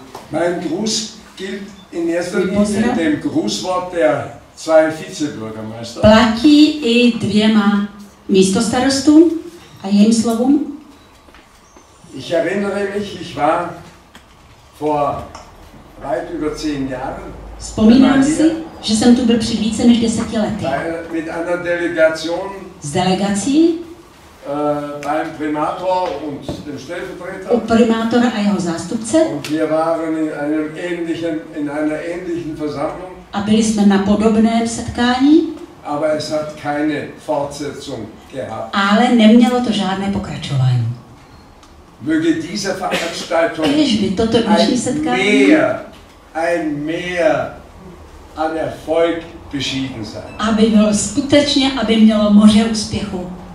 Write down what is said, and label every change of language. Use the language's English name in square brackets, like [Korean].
[German] Mein Gruß gilt in erster Linie dem Grußwort der zwei Vizebürgermeister. [Czech] Platí i dvěma místostarostům a jejím slovům. [German] Ich erinnere mich, ich war vor weit über 10 Jahren. [Czech] Vzpomínám si, že jsem tu byl před více než 10 lety. [German] Mit einer Delegation. [Czech] S delegací. [German] Beim Primator und dem Stellvertreter. [Czech] U primátora a jeho zástupce. [German] Und wir waren in einem ähnlichen, in einer ähnlichen Versammlung. [Czech] A byli jsme na podobném setkání. [German] Aber es hat keine Fortsetzung gehabt. [Czech] Ale nemělo to žádné pokračování. [German] Möge diese Veranstaltung [Czech] když by toto dnešní setkání [German] ein mehr an Erfolg beschieden sein. [Czech] Aby bylo skutečně, aby mělo moře úspěchu.